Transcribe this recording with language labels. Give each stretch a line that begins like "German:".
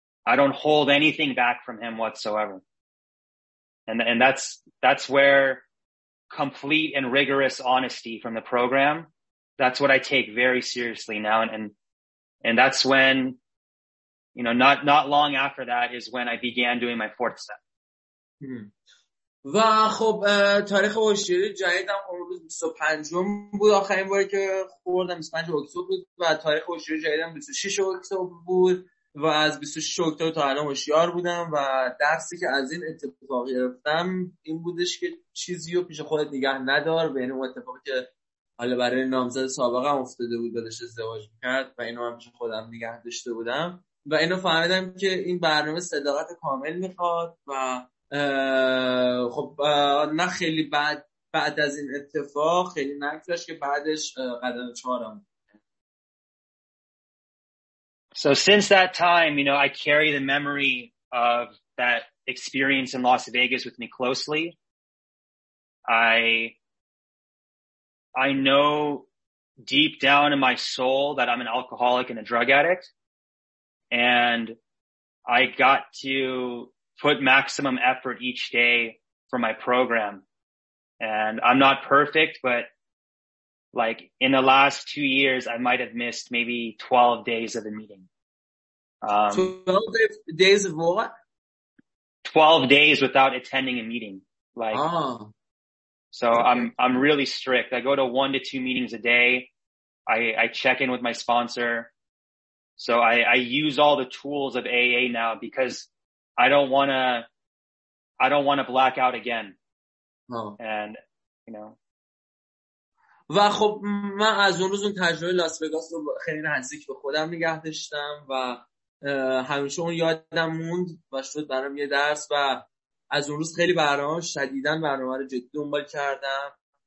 English: I don't hold anything back from him whatsoever. And that's where complete and rigorous honesty from the program, that's what I take very seriously now. And that's when, you know, not long after that is when I began doing my fourth step.
Persian: و خب تاریخ هوشیاری جدیدم امروز 25 بود، آخرین باری که خوردم 25 اکتبر بود و تاریخ هوشیاری جدیدم 26 اکتبر بود و از 26 اکتبر تا الان هوشیار بودم و درسی که از این اتفاق گرفتم این بودش که چیزی رو پیش خودت نگه ندار، به این اتفاقی که حالا برای نامزد سابقم افتاده بود بعدش ازدواج کرد و اینو هم پیش خودم نگه داشته بودم و اینو فهمیدم که این برنامه صداقت کامل میخواد و خب نه خیلی بعد از این اتفاق خیلی نگذشت که بعدش قدم چهارم.
English: So since that time, you know, I carry the memory of that experience in Las Vegas with me closely. I know deep down in my soul that I'm an alcoholic and a drug addict. and I got to put maximum effort each day for my program. And I'm not perfect, but like in the last 2 years, I might have missed maybe 12 days of a meeting. 12 days of what? 12 days without attending a meeting. Like, oh. So okay. I'm really strict. I go to 1 to 2 meetings a day. I check in with my sponsor. So I use all the tools of AA now because I don't want to black out again. Oh. And, you know.
Persian: و خب من از اون روز اون تجربه لاس وگاس رو خیلی نزدیک به خودم نگه داشتم و همیشه اون یادم موند و شد برام یه درس و از اون روز خیلی برام شدیداً برنامه رو جدی دنبال کردم